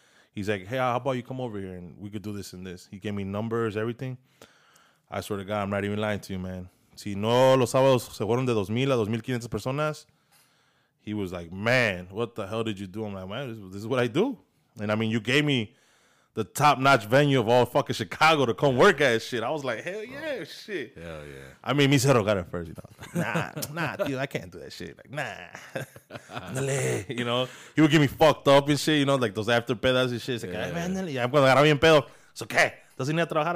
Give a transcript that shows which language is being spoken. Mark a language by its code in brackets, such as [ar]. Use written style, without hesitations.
[en] He's like, hey, how about you come over here and we could do this and this. He gave me numbers, everything. I swear to God, I'm not even lying to you, man. [es] Si no, los sábados se fueron de 2,000 a 2,500 personas. [en] He was like, man, what the hell did you do? I'm like, man, this is what I do. And I mean, you gave me the top-notch venue of all fucking Chicago to come work at shit. I was like, hell yeah, bro. Shit. Hell yeah. I mean, Misero got it first, you know. Nah, dude, I can't do that shit. Like, nah. You know? He would get me fucked up and shit, you know, like those after pedas and shit. It's like, yeah, man, yeah. I'm going to get a [es] bien pedo. [en] It's okay. Doesn't need to [es] trabajar.